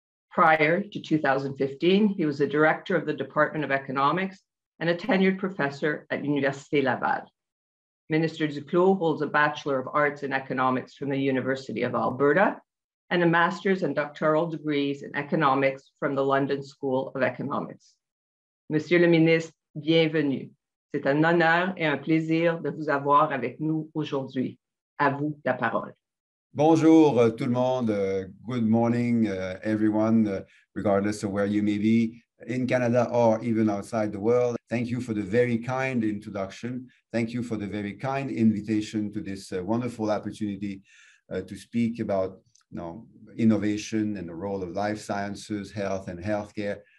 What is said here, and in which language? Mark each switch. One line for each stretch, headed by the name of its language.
English: Prior to 2015, he was a director of the Department of Economics and a tenured professor at Université Laval. Minister Duclos holds a Bachelor of Arts in Economics from the University of Alberta and a Master's and Doctoral degrees in Economics from the London School of Economics.
French: Monsieur le Ministre, bienvenue. C'est un honneur et un plaisir de vous avoir avec nous aujourd'hui. À vous la parole. Bonjour tout le monde.
English: Good morning, everyone, regardless of where you may be, in Canada or even outside the world. Thank you for the very kind introduction. Thank you for the very kind invitation to this wonderful opportunity to speak about innovation and the role of life sciences, health and healthcare